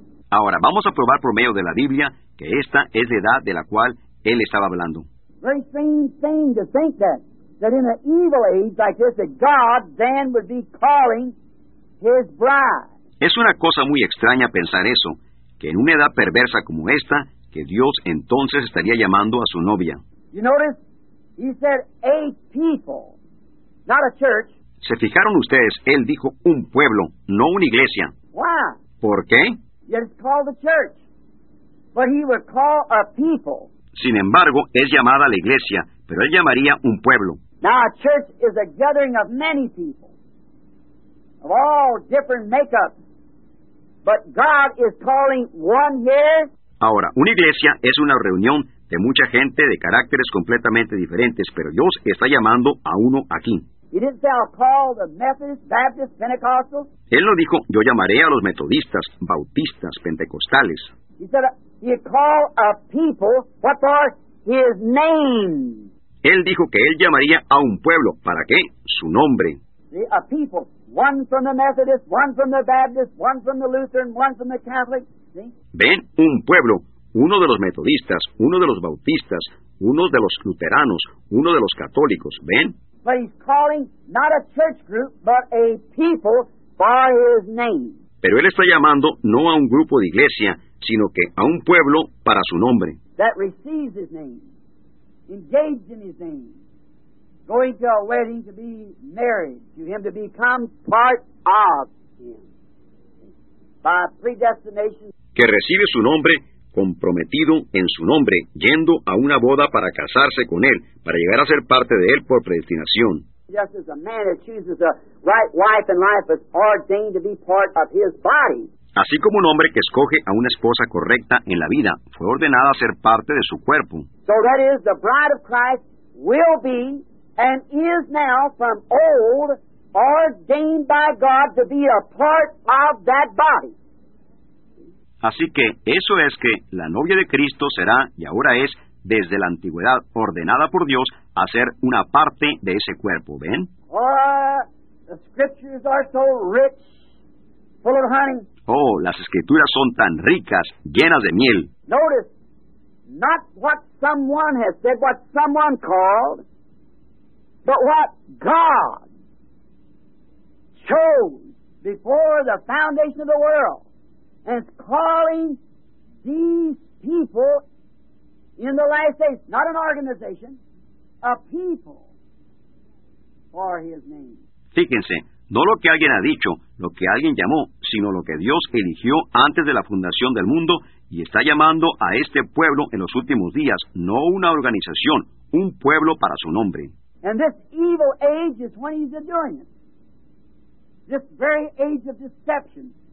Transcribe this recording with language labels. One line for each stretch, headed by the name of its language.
Spanish: Ahora, vamos a probar por medio de la Biblia que esta es la edad de la cual Él estaba hablando.
English: Very strange thing to think that in an evil age like this, that God then would be calling His bride.
Spanish: Es una cosa muy extraña pensar eso, que en una edad perversa como esta, que Dios entonces estaría llamando a su novia.
English: You notice, He said a people, not a church.
Spanish: ¿Se fijaron ustedes? Él dijo un pueblo, no una iglesia.
English: Why?
Spanish: ¿Por qué?
English: Yet it's called the church, but He would call a people.
Spanish: Sin embargo, es llamada la iglesia, pero Él llamaría un pueblo.
English: Now, a church is a gathering of many people, of all different makeups, but God is calling one here.
Spanish: Ahora, una iglesia es una reunión de mucha gente de caracteres completamente diferentes, pero Dios está llamando a uno aquí.
English: He didn't say, I'll call the Methodist, Baptist, Pentecostal.
Spanish: Él no dijo, yo llamaré a los metodistas, bautistas, pentecostales.
English: He said, He'd call a people what for His name.
Spanish: Él dijo que Él llamaría a un pueblo. ¿Para qué? Su nombre.
English: See, a people. One from the Methodist, one from the Baptist, one from the Lutheran, one from the Catholic. See?
Spanish: Ven, un pueblo. Uno de los metodistas, uno de los bautistas, uno de los luteranos, uno de los católicos. ¿Ven?
English: But He's calling not a church group, but a people for His name.
Spanish: Pero Él está llamando no a un grupo de iglesia, sino que a un pueblo para su nombre.
English: That receives His name, engaged in His name, going to a wedding to be married, to Him to become part of Him, by predestination.
Spanish: Que recibe su nombre, comprometido en su nombre, yendo a una boda para casarse con él, para llegar a ser parte de él por predestinación.
English: Just as a man who chooses a right wife in life is ordained to be part of his body.
Spanish: Así como un hombre que escoge a una esposa correcta en la vida fue ordenada a ser parte de su cuerpo.
English: So that is, the bride of Christ will be and is now from old ordained by God to be a part of that body.
Spanish: Así que eso es que la novia de Cristo será y ahora es desde la antigüedad ordenada por Dios a ser una parte de ese cuerpo. ¿Ven?
English: The scriptures are so rich, full of honey.
Spanish: Oh, las escrituras son tan ricas, llenas de miel.
English: Notice, not what someone has said, what someone called, but what God chose before the foundation of the world and is calling these people in the last days, not an organization, a people for his name.
Spanish: Fíjense, no lo que alguien ha dicho, lo que alguien llamó, sino lo que Dios eligió antes de la fundación del mundo y está llamando a este pueblo en los últimos días, no una organización, un pueblo para su nombre.
English: And this evil age is when he's doing it. This very age of deception.